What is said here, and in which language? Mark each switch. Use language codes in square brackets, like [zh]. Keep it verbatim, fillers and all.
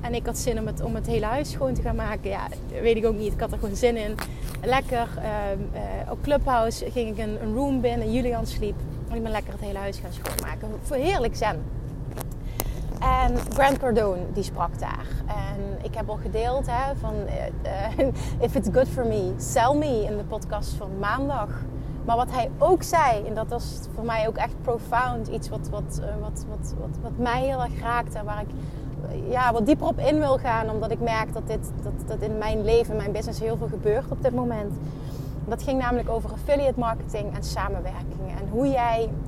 [nl] En ik had zin om het, om het hele huis schoon te gaan maken. Ja, weet ik ook niet. Ik had er gewoon zin in. Lekker. Uh, uh, op Clubhouse ging ik een, een room binnen. Julian sliep. En ik ben lekker het hele huis gaan schoonmaken. Voor heerlijk zen. En Grant Cardone, die sprak daar. En ik heb al gedeeld hè, van... [en] Uh, if it's good for me, sell me. [nl] In de podcast van maandag. Maar wat hij ook zei, en dat was voor mij ook echt profound. Iets wat, wat, wat, wat, wat, wat mij heel erg raakt. En waar ik ja, wat dieper op in wil gaan. Omdat ik merk dat dit dat, dat in mijn leven, in mijn business heel veel gebeurt op dit moment. Dat ging namelijk over affiliate marketing en samenwerkingen. En hoe jij...